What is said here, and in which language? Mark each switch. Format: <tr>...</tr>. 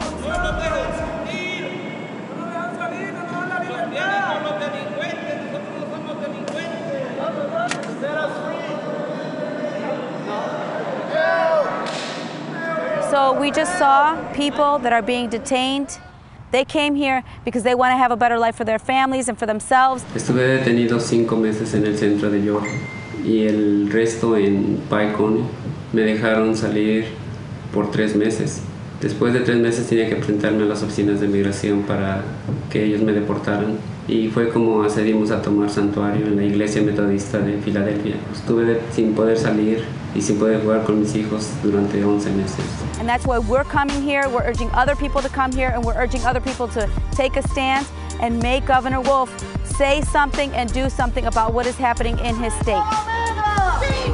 <es>Nosotros somos delincuentes, nosotros somos delincuentes.</es> <en>we just saw people that are being detained. They came here because they want to have a better life for their families and for themselves.</en> <es>Estuve detenido 5 meses en el centro de York y el resto en Pycon. Me dejaron salir por 3 meses. Después de 3 meses tenía que presentarme a las oficinas de migración para que ellos me deportaran. Y fue como accedimos a tomar santuario en la iglesia metodista de Filadelfia. Estuve sin poder salir y sin poder jugar con mis hijos durante 11 meses.</es> <en>And that's why we're coming here. We're urging other people to come here, and we're urging other people to take a stand and make Governor Wolf say something and do something about what is happening in his state.</en>